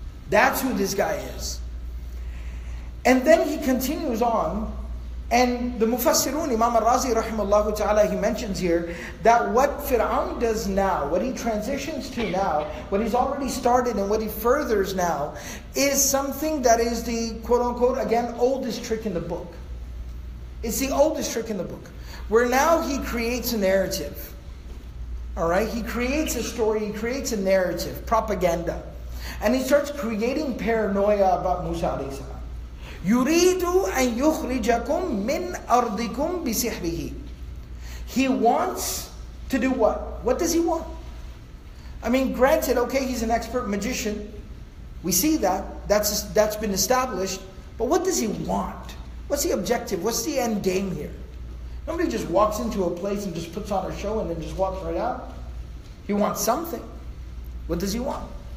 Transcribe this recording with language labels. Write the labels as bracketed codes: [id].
[en] That's who this guy is. And then he continues on, and the Mufassirun, Imam al-Razi rahimahullah ta'ala, he mentions here that what Fir'aun does now, what he transitions to now, what he's already started and what he furthers now, is something that is the quote-unquote, again, oldest trick in the book. It's the oldest trick in the book. Where now he creates a narrative. Alright, he creates a story, he creates a narrative, propaganda. And he starts creating paranoia about Musa alayhi salam. [ar] يُرِيدُ أَن يُخْرِجَكُم مِّنْ أَرْضِكُم بِسِحْرِهِ. [en] He wants to do what? What does he want? I mean, granted, okay, he's an expert magician. We see that. That's been established. But what does he want? What's the objective? What's the end game here? Nobody just walks into a place and just puts on a show and then just walks right out. He wants something. What does he want?